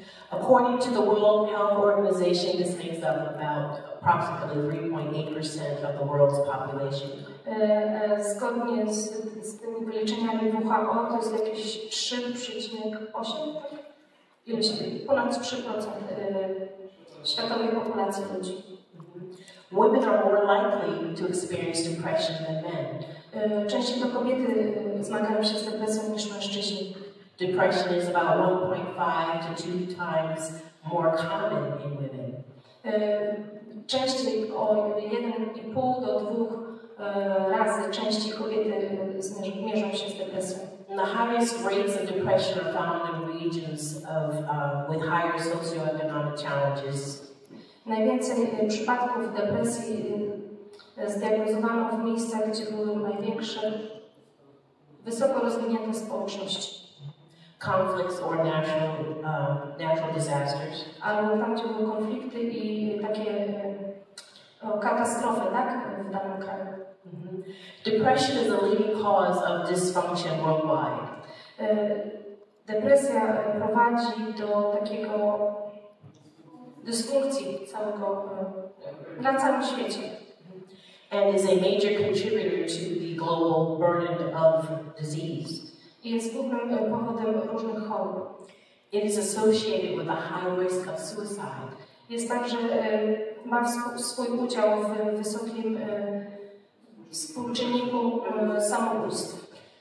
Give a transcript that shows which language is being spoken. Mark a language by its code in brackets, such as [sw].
[en] According to the World Health Organization, this makes up about approximately 3.8% of the world's population. [pl] Zgodnie z tymi wyliczeniami WHO, to jest jakieś 3,8%, ponad 3% światowej populacji ludzi. [en] Women are more likely to experience depression than men. [pl] Częściej to kobiety zmagają się z depresją niż mężczyźni. [en] Depression is about 1.5 to 2 times more common in women. [pl] Częściej o 1,5 do 2 razy częściej kobiety mierzą się z depresją. [en] The highest rates of depression are found in regions of, with higher socioeconomic challenges. [pl] Najwięcej przypadków depresji zdiagnozowano w miejscach, gdzie były największe wysoko rozwinięte społeczności. [en] Conflicts or natural disasters. [pl] Albo tam, gdzie były konflikty i takie katastrofy, tak, w danym kraju. [en] Depression is a leading cause of dysfunction worldwide. [pl] Depresja prowadzi do takiego dysfunkcji całego na całym świecie. [en] And is a major contributor to the global burden of disease. [pl] Jest głównym powodem różnych chorób. [en] It is associated with a high risk of suicide. [pl] Jest także ma swój udział w wysokim współczynniku samobójstw.